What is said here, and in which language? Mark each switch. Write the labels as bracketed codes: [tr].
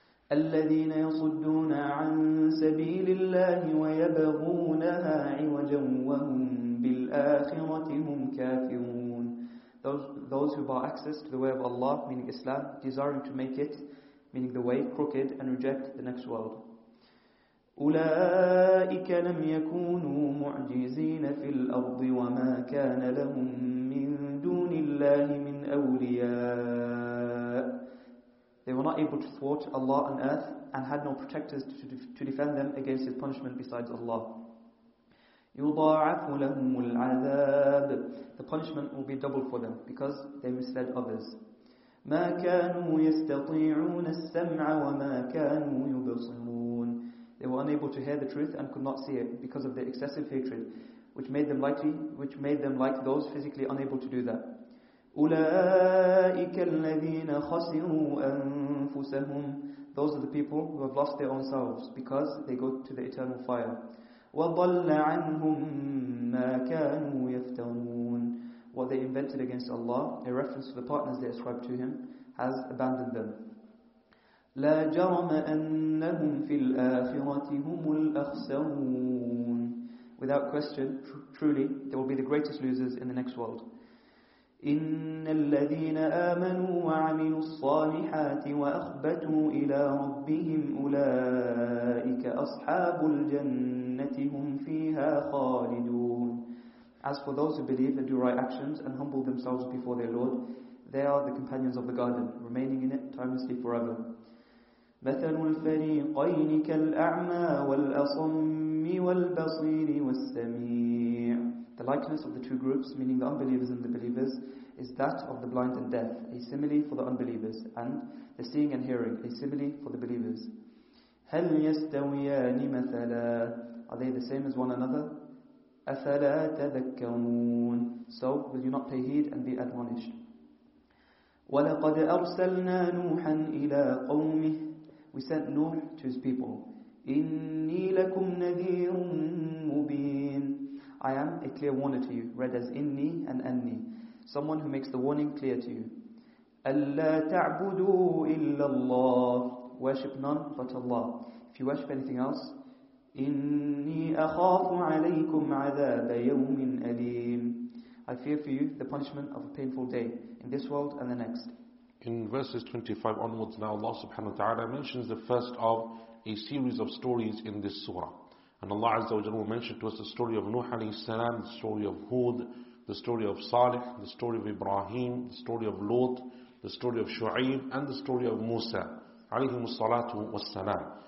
[ar] الَّذِينَ يَصُدُّونَ عَن سَبِيلِ اللَّهِ وَيَبَغُونَهَا عِوَجًا وَهُمْ بِالْآخِرَةِ هُمْ كَافِرُونَ. [en] those who bar access to the way of Allah, meaning Islam, desiring to make it, meaning the way, crooked, and reject the next world. [ar] أولئك لم يكونوا معجزين في الأرض وما كان لهم من دون الله من أولياء. [en] They were not able to thwart Allah on earth and had no protectors to defend them against His punishment besides Allah. [ar] يضاعف لهم العذاب. [en] The punishment will be doubled for them because they misled others. [ar] ما كانوا يستطيعون السمع وما كانوا يبصرون. [en] They were unable to hear the truth and could not see it because of their excessive hatred, which made them like those physically unable to do that. [ar] أولئك الذين خسروا أنفسهم. [en] Those are the people who have lost their own selves because they go to the eternal fire. [ar] وضل عنهم ما كانوا يفترون. [en] What they invented against Allah, a reference to the partners they ascribed to Him, has abandoned them. [ar] لا جرم أنهم في الآخرة هم الأخسرون. [en] Without question, truly, they will be the greatest losers in the next world. [ar] إن الذين آمنوا وعملوا الصالحات وأخبتوا إلى ربهم أولئك أصحاب الجنة هم فيها خالدون. [en] As for those who believe and do right actions and humble themselves before their Lord, they are the companions of the garden, remaining in it timelessly forever. [ar] مثل الفريقين كالأعمى والأصم والبصير والسميع. [en] The likeness of the two groups, meaning the unbelievers and the believers, is that of the blind and deaf, a simile for the unbelievers, and the seeing and hearing, a simile for the believers. [ar] هل يستويان مثلا. [en] Are they the same as one another? [ar] أفلا تذكرون. [en] So will you not pay heed and be admonished? [ar] ولقد أرسلنا نوحا إلى قومه. [en] We sent Nuh to his people. [ar] إني لكم نذير مبين. [en] I am a clear warner to you, read as [ar] إني [en] and [ar] أني. [en] Someone who makes the warning clear to you. [ar] ألا تعبدوا إلا الله. [en] Worship none but Allah. If you worship anything else. [ar] إني أخاف عليكم عذاب يوم أليم. [en] I fear for you the punishment of a painful day in this world and the next. In verses 25 onwards, now Allah subhanahu wa ta'ala mentions the first of a series of stories in this surah. And Allah Azza wa Jalla will mention to us the story of Nuh alayhi salam, the story of Hud, the story of Salih, the story of Ibrahim, the story of Lot, the story of Shu'aib, and the story of Musa alayhi salatu wassalam.